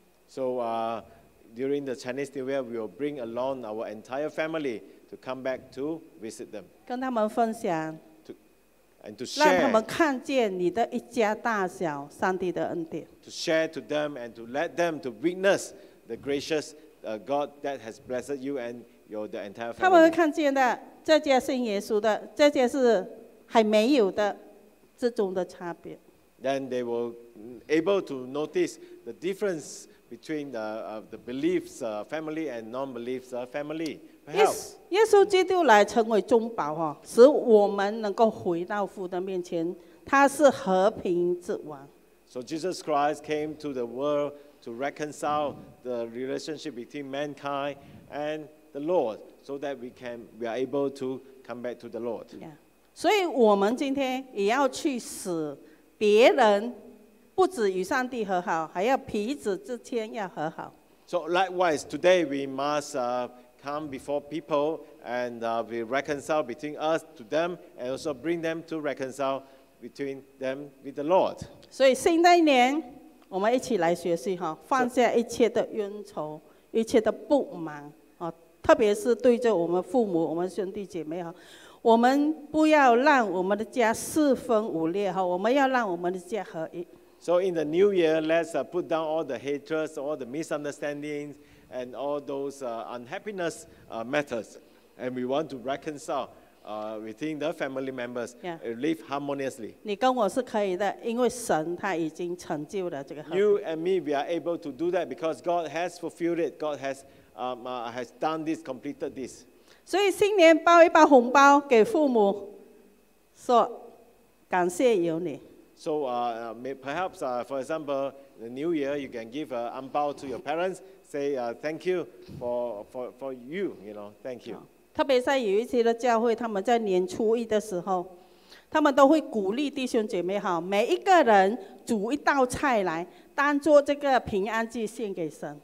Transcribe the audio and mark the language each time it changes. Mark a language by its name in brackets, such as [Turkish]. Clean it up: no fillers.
[English] So, during the Chinese New Year, we will bring along our entire family to come back to visit them. [Chinese] 跟他们分享。 [English] And to share. [Chinese] 让他们看见你的一家大小，上帝的恩典。 [English] To share to them and to let them to witness the gracious God that has blessed you and your the entire family. [Chinese] 他们会看见的。这家信耶稣的，这家是还没有的，这种的差别。 [English] Then they were able to notice the difference between the beliefs family and non-beliefs family. [Chinese] Yes, 耶稣基督来成为中保哦，使我们能够回到父的面前，他是和平之王。 [English] So Jesus Christ came to the world to reconcile the relationship between mankind and the Lord, so that we are able to come back to the Lord. Yeah. [Chinese] 所以我们今天也要去使别人不止与上帝和好，还要彼此之间要和好。 [English] So likewise, today we must come before people and we reconcile between us to them, and also bring them to reconcile between them with the Lord. [Chinese] 所以新的一年，我们一起来学习哈，放下一切的冤仇，一切的不满啊，特别是对着我们父母、我们兄弟姐妹哈。我们不要让我们的家四分五裂，我们要让我们的家合一。 [English] So in the new year, let's put down all the hatreds, all the misunderstandings, and all those unhappiness matters. And we want to reconcile within the family members, live harmoniously. [Chinese] 你跟我是可以的，因为神他已经成就了这个合一。 [English] You and me, we are able to do that because God has fulfilled it. God has done this, completed this. [Chinese] 所以新年包一包红包给父母，说感谢有你。 [English] So perhaps for example, the new year you can give an angbao to your parents, say thank you for you, you know, thank you. [Chinese] 特别在有一些的教会，他们在年初一的时候，他们都会鼓励弟兄姐妹哈，每一个人煮一道菜来，当做这个平安祭献给神。